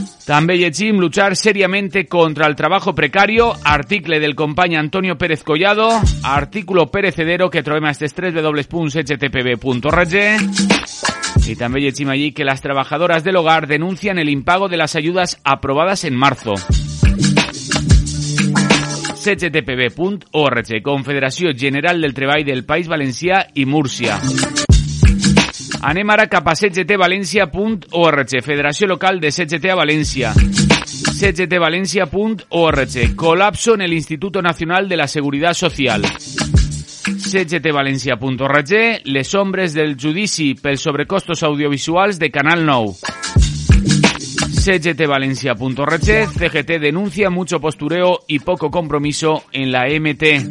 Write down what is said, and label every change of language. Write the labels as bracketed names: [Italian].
[Catalan] També llegim [Spanish] luchar seriamente contra el trabajo precario, [Catalan] article del company Antonio Pérez Collado, [Spanish] artículo perecedero [Catalan] que trobem a les www.httpb.org. [Spanish] Y [Catalan] també llegim [Spanish] allí que las trabajadoras del hogar denuncian el impago de las ayudas aprobadas en marzo. [Catalan] httpb.org, Confederació General del Treball del País Valencià i Múrcia. Anem ara cap a cgtvalencia.org, Federació Local de CGT a València. [Spanish] cgtvalencia.org, colapso en el Instituto Nacional de la Seguridad Social. [Catalan] cgtvalencia.org, les ombres del judici pels sobrecostos audiovisuals de Canal 9. [Spanish] CGTValencia.org, CGT denuncia mucho postureo y poco compromiso en la EMT.